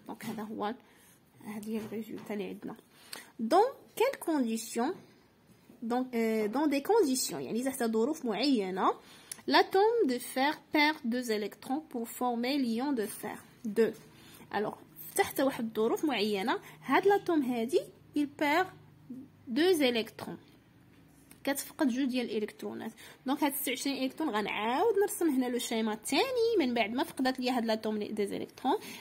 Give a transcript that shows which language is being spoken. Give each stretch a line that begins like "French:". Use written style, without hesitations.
Arabic: دونك هذا هو هادي الريزولتا اللي عندنا.
French: دونك quelles conditions dans des conditions
Arabic: يعني تحت ظروف معينه
French: l'atome de fer perd 2 électrons pour former l'ion de fer 2.
Arabic: alors تحت واحد الظروف معينه هاد لاتوم هادي
French: il perd 2 électrons
Arabic: كتفقد جوج ديال الالكترونات. دونك هاد 26 الكترون غنعاود نرسم هنا لو شيما الثاني من بعد ما فقدت ليا هاد لاتوم دي الكترون.